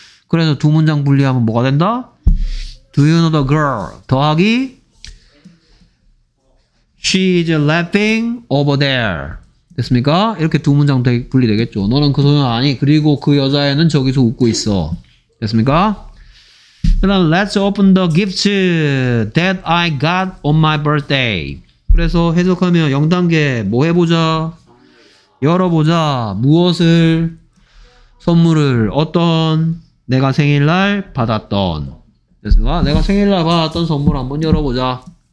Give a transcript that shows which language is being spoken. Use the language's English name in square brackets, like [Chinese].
[Korean] 그래서 두 문장 분리하면 뭐가 된다? [English] Do you know the girl? [Korean] 더하기 [English] She is laughing over there. [Korean] 됐습니까? 이렇게 두 문장 분리되겠죠. 너는 그 소녀 아니. 그리고 그 여자애는 저기서 웃고 있어. 됐습니까? 그 다음 [English] Let's open the gifts that I got on my birthday. [Korean] 그래서 해석하면 0단계 뭐 해보자? 열어보자. 무엇을? 선물을. 어떤? 내가 생일날 받았던. 됐습니까? 내가 생일날 받았던 선물 한번 열어보자.